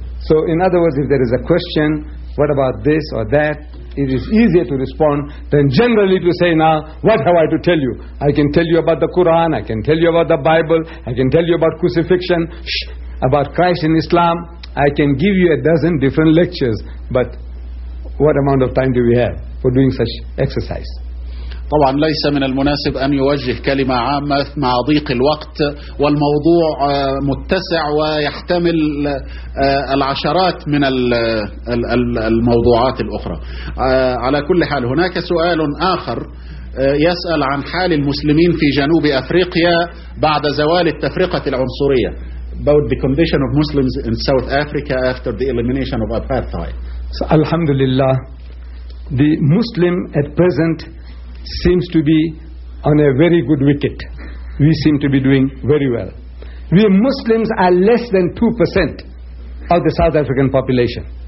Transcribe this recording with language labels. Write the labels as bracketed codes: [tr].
[en] So in other words, if there is a question, what about this or that, it is easier to respond than generally to say, now, what have I to tell you? I can tell you about the Quran, I can tell you about the Bible, I can tell you about crucifixion, about Christ in Islam. I can give you a dozen different lectures, but what amount of time do we have for doing such exercise? [ar] طبعا ليس من المناسب أن يوجه كلمة عامة مع ضيق الوقت والموضوع متسع ويحتمل العشرات من الموضوعات الأخرى. على كل حال هناك سؤال آخر يسأل عن حال المسلمين في جنوب أفريقيا بعد زوال التفرقة العنصرية. [en] About the condition of Muslims in South Africa after the elimination of apartheid. [ar] الحمد لله. [en] The Muslim at present seems to be on a very good wicket. We seem to be doing very well. We Muslims are less than 2% of the South African population.